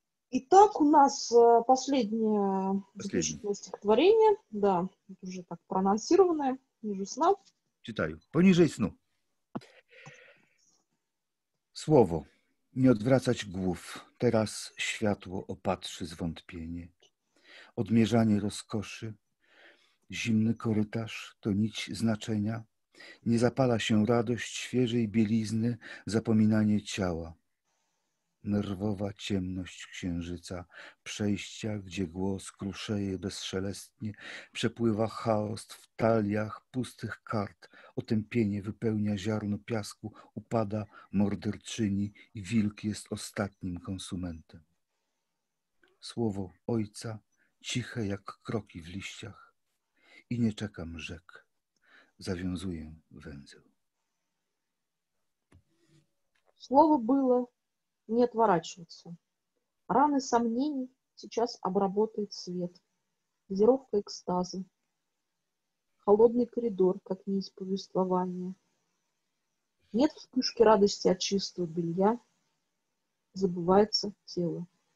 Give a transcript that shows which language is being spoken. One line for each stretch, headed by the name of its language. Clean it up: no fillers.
Russian: Итак, у нас последнее заключительное стихотворение, да, уже так проанонсированное, ниже сна. Читаю. Пониже сну. Слово. Не отвращать głów.
Polish: Teraz światło opatrzy zwątpienie. Odmierzanie rozkoszy. Zimny korytarz to nić znaczenia. Nie zapala się radość świeżej bielizny, zapominanie ciała. Nerwowa ciemność księżyca, przejścia, gdzie głos kruszeje bezszelestnie, przepływa chaos w taliach pustych kart, otępienie wypełnia ziarno piasku, upada morderczyni i wilk jest ostatnim konsumentem. Słowo ojca ciche jak kroki w liściach. I nie czekam rzek, zawiązuję węzeł.
Russian: Слово было не отворачиваться. Раны сомнений сейчас обработает свет. Газировка экстаза. Холодный коридор, как нить повествования. Нет вспышки радости от чистого белья. Забывается тело.